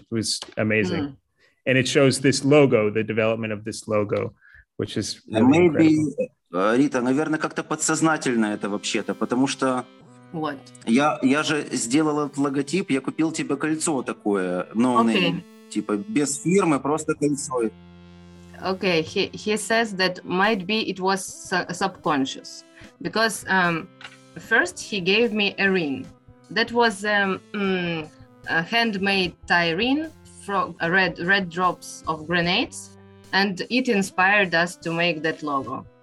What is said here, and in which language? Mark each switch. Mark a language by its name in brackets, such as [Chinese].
[English] It was amazing. Mm. And it shows this logo, the development of this logo, which is really incredible. [Russian] Рита, наверное, как-то подсознательно это вообще-то, потому что я же сделал этот логотип, я купил тебе кольцо такое, но типа без фирмы, просто кольцо. [English] Okay, he says that might be it was subconscious, because first he gave me a ring, that was a handmade Thai ring from red drops of grenades, and it inspired us to make that logo.